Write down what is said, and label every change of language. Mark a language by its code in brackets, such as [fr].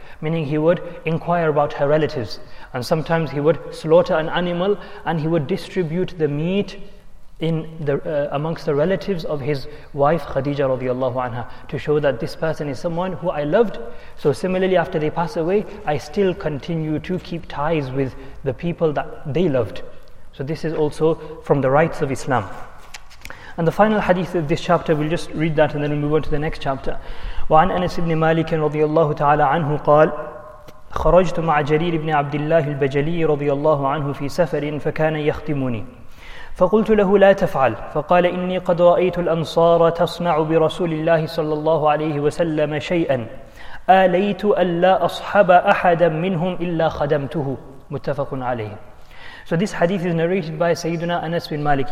[en] Meaning he would inquire about her relatives. And sometimes he would slaughter an animal and he would distribute the meat in the amongst the relatives of his wife Khadija radiallahu anha to show that this person is someone who I loved. So similarly, after they pass away, I still continue to keep ties with the people that they loved. So this is also from the rights of Islam. And the final hadith of this chapter, we'll just read that and then we'll move on to the next chapter. [ar] وعن أنس بن مالك رضي الله تعالى عنه قال خرجت مع جرير بن عبد الله البجلي رضي الله عنه في سفر فكان يختمني فقلت له لا تفعل فقال إني قد رأيت الأنصار تصنع برسول الله صلى الله عليه وسلم شيئا آليت ألا أصحب أحدا منهم إلا خدمته متفق عليه. [en] So this hadith is narrated by Sayyidina Anas bin Malik.